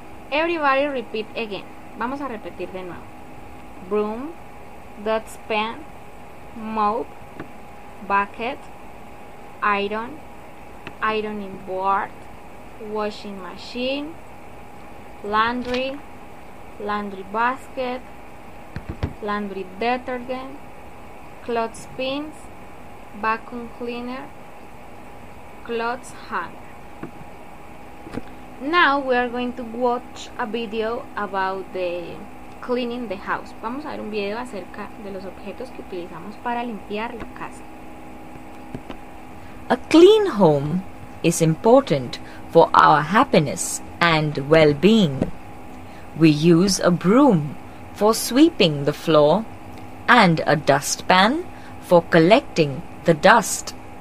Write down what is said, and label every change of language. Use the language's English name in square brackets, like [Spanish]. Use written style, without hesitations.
[English] Everybody repeat again. [Spanish] Vamos a repetir de nuevo. [English] Broom, dustpan, mop, bucket, iron, ironing board, washing machine, laundry, laundry basket, laundry detergent, clothes pins, vacuum cleaner, clothes hanger. Now we are going to watch a video about the cleaning the house. [Spanish] Vamos a ver un video acerca de los objetos que utilizamos para limpiar la casa. [English] A clean home is important for our happiness and well-being. We use a broom for sweeping the floor and a dustpan for collecting the dust.